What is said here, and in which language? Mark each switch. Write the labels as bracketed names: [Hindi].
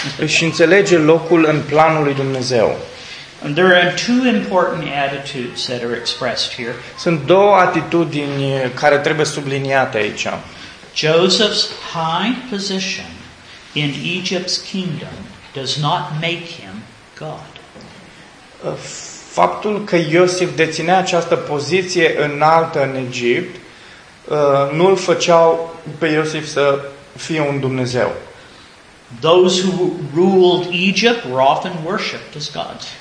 [Romanian] Își înțelege locul în planul lui Dumnezeu. [English] And there are two important attitudes that are expressed here. [Romanian] Sunt două atitudini care trebuie subliniate aici. [English] Joseph's high position in Egypt's kingdom does not make him God. [Romanian] Faptul că Iosif deținea această poziție înaltă în Egipt nu îl făceau pe Iosif să fie un Dumnezeu. [English] Those who ruled Egypt were often worshipped as gods.